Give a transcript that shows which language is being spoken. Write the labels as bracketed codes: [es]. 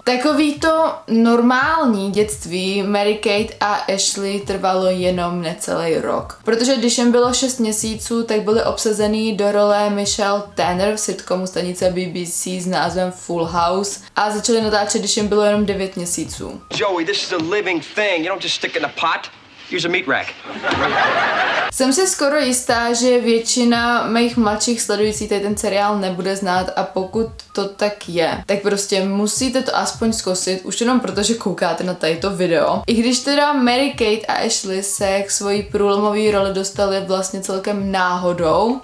[cs] Takový to normální dětství Mary Kate a Ashley trvalo jenom necelý rok. Protože když jim bylo 6 měsíců, tak byly obsazený do role Michelle Tanner v sitcomu stanice BBC s názvem Full House a začali natáčet, když jim bylo jenom 9 měsíců. [en] Joey, this is a living thing, you don't just stick in a pot. Use a meat rack. [cs] Jsem si skoro jistá, že většina mých mladších sledujících ten seriál nebude znát, a pokud to tak je, tak prostě musíte to aspoň zkusit, už jenom proto, že koukáte na tato video. I když teda Mary Kate a Ashley se k svojí průlomové roli dostali vlastně celkem náhodou.